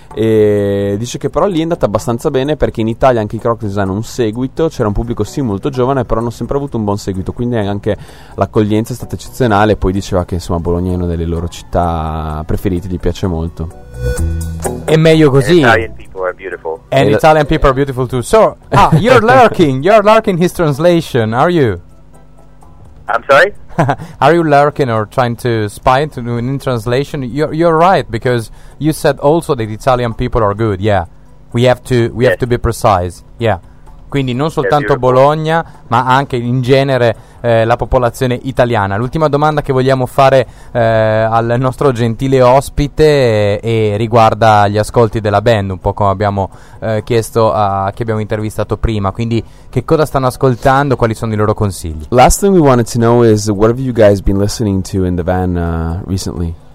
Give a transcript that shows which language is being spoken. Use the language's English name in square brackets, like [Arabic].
[Italian] E dice che però lì è andata abbastanza bene, perché in Italia anche i Crocodiles hanno un seguito, c'era un pubblico sì molto giovane, però hanno sempre avuto un buon seguito, quindi anche l'accoglienza è stata eccezionale. Poi diceva che insomma Bologna è una delle loro città preferite, gli piace molto. È meglio così. [English] Italian people are beautiful. And Italian people are beautiful too. So, you're lurking his translation, are you? I'm sorry? Are you lurking or trying to spy into in translation? You're right, because you said also that Italian people are good. Yeah, we have to be precise. [Italian] Yeah, quindi non soltanto Bologna, ma anche in genere la popolazione italiana. L'ultima domanda che vogliamo fare al nostro gentile ospite e riguarda gli ascolti della band, un po' come abbiamo chiesto a chi abbiamo intervistato prima. Quindi, che cosa stanno ascoltando? Quali sono i loro consigli? [English] Last thing we wanted to know is, what have you guys been listening to in the van recently?